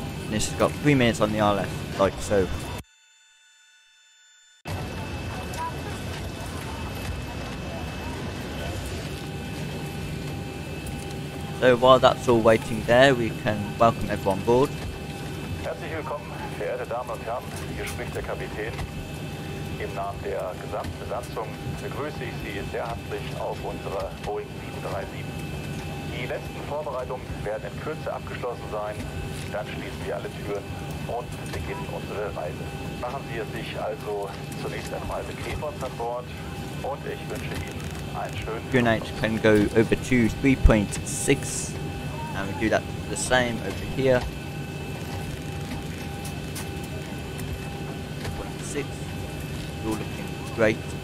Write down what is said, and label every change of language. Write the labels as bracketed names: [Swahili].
[English] This has got 3 minutes on the RLS, like so. So while that's all waiting there, we can welcome everyone aboard. [German] Herzlich willkommen, verehrte Damen und Herren. Hier spricht der Kapitän. Im Namen der gesamten Besatzung begrüße ich Sie sehr herzlich auf unserer Boeing 737. Die letzten Vorbereitungen werden in Kürze abgeschlossen sein. Dann schließen wir alle Türen und beginnen unsere Reise. Machen Sie es sich also zunächst einmal bequem uns an Bord und ich wünsche Ihnen einen schönen [English] Good night. Can go over to 3.6 and we do that the same over here. 3.6, you're looking great.